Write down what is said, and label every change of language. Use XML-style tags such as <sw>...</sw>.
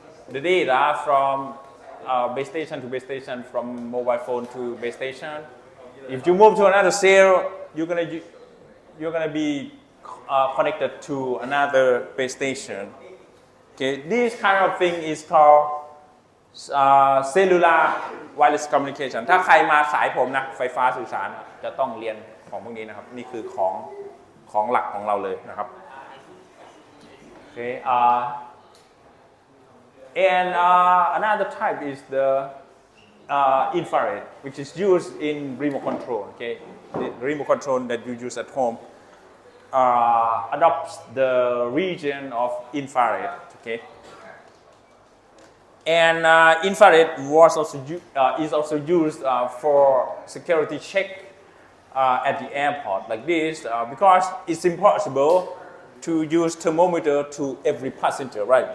<en>the data from base station to base station, from mobile phone to base station. If you move to another cell, you're gonna be connected to another base station. Okay, this kind of thing is called cellular wireless communication.</en> <th>ถ้าใครมาสายผมนะไฟฟ้าสื่อสารจะต้องเรียนของพวกนี้นะครับนี่คือของหลักของเราเลยนะครับโอเค</th> <en>and another type is the infrared, which is used in remote control. Okay, the remote control that you use at home adopts the region of infrared. Okay, and infrared was also is also used for security check at the airport like this because it's impossible to use thermometer to every passenger, right?</en>